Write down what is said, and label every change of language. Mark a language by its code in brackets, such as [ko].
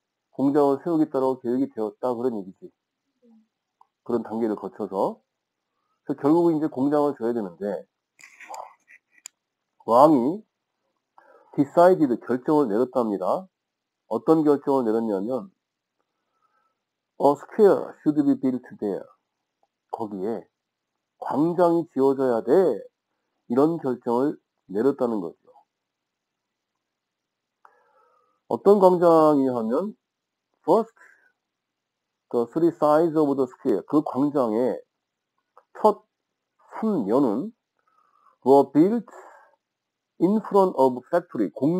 [ko] 공장을 세우겠다라고 계획이 되었다 그런 얘기지. 그런 단계를 거쳐서 그래서 결국은 이제 공장을 줘야 되는데 왕이 decided 결정을 내렸답니다. 어떤 결정을 내렸냐면 [en] a square should be built there. [ko] 거기에 광장이 지어져야 돼. 이런 결정을 내렸다는 거죠. 어떤 광장이 하면 [en] first, the three sides of the square. [ko] 그 광장의 첫 3면은 [en] were built in front of factory.